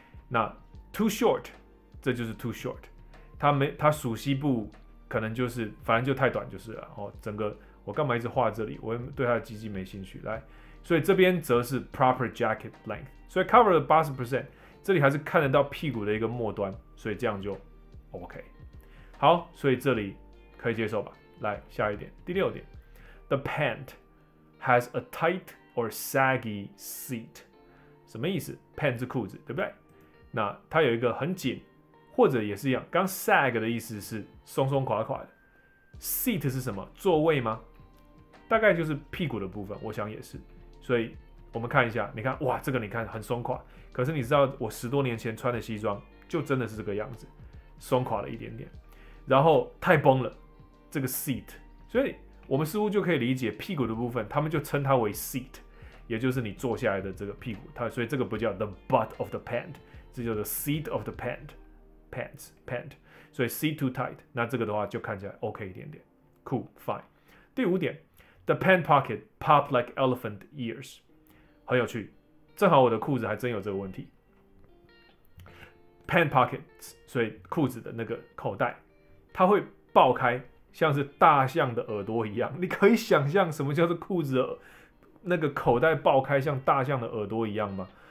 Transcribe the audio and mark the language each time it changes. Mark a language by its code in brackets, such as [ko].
[zh] 那 too short， 这就是 too short， 它属膝部可能就是反正就太短就是了。哦，整个我干嘛一直画这里，我对它的鸡鸡没兴趣。来，所以这边则是 proper jacket length， 所以 cover 了 80%， 这里还是看得到屁股的一个末端，所以这样就 OK。好，所以这里可以接受吧。来，下一点，第六点 ， [en] The pant has a tight or saggy seat， [zh] 什么意思 ？Pant 是裤子，对不对？那它有一个很紧，或者也是一样，刚 sag 的意思是松松垮垮的。 Seat 是什么？座位吗？大概就是屁股的部分，我想也是。所以我们看一下，你看，哇，这个你看很松垮，可是你知道我十多年前穿的西装就真的是这个样子，松垮了一点点，然后太崩了。这个 seat， 所以我们似乎就可以理解屁股的部分，他们就称它为 seat， 也就是你坐下来的这个屁股。它所以这个不叫 [en] the butt of the pant， [zh] 这叫做 [en] seat of the pant， [zh] 所以 seat too tight， 那这个的话就看起来 OK 一点点 ，cool fine。第五点 ， [en] the pant pocket pop like elephant ears， [zh] 很有趣，正好我的裤子还真有这个问题 ，pant pocket， 所以裤子的那个口袋，它会爆开。像是大象的耳朵一样，你可以想象什么叫做裤子的那个口袋爆开，像大象的耳朵一样吗？